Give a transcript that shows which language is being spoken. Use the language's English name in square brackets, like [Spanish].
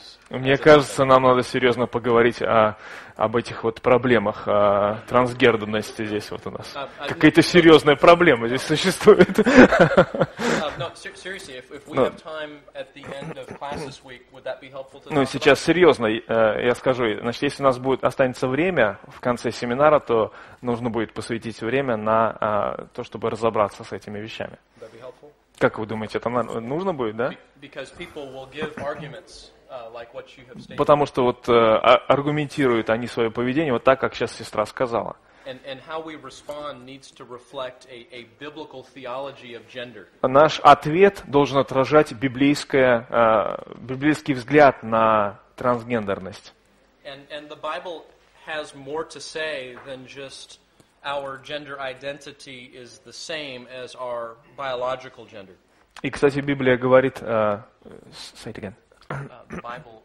[Russian] Мне кажется, нам надо серьезно поговорить об этих вот проблемах трансгендерности здесь вот у нас. Какая-то серьезная проблема здесь существует. [English] Seriously, if we have time at the end of class this week, would that be helpful to talk about? [Russian] Ну, сейчас серьезно, я скажу, значит, если у нас будет останется время в конце семинара, то нужно будет посвятить время на то, чтобы разобраться с этими вещами. [English] Would that be helpful? [Russian] Как вы думаете, это нужно будет, да? [English] Because people will give arguments, like what you have stated. [Russian] Потому что вот аргументируют они свое поведение вот так, как сейчас сестра сказала. [English] And how we respond needs to reflect a biblical theology of gender. [Russian] Наш ответ должен отражать библейский взгляд на трансгендерность. [English] And the Bible has more to say than just our gender identity is the same as our biological gender. [Russian] И, кстати, Библия говорит, [English] say it again.